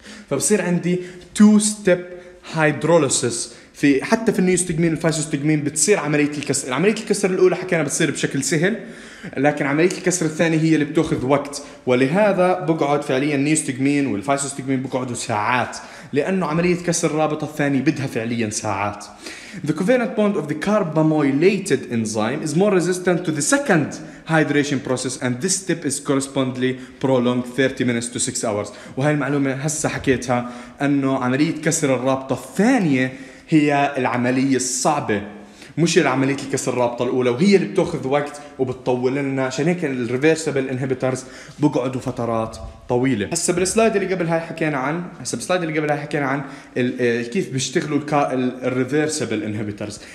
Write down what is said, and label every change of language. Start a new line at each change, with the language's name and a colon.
Arabic: فبصير عندي 2 ستيب هيدروليسيس في حتى في النيوستيجمين والفايسوستيجمين بتصير عمليه الكسر. عمليه الكسر الاولى حكينا بتصير بشكل سهل, لكن عمليه الكسر الثانيه هي اللي بتاخذ وقت, ولهذا بقعد فعليا النيوستيجمين والفايسوستيجمين بقعدوا ساعات, لانه عمليه كسر الرابطه الثانيه بدها فعليا ساعات.
English: The covalent bond of the carbamoylated enzyme is more resistant to the second hydration process and this step is correspondingly prolonged 30 minutes to 6 hours.
Arabic: وهي المعلومه هسه حكيتها انه عمليه كسر الرابطه الثانيه هي العملية الصعبة, مش العملية الكسر الرابطة الأولى, وهي اللي بتأخذ وقت وبتطول لنا. عشان هيك الريفيرسبل انهبيترز بقعدوا فترات طويلة. هسا بالسلايد اللي قبل هاي حكينا عن كيف بيشتغلوا الريفيرسبل انهبيترز.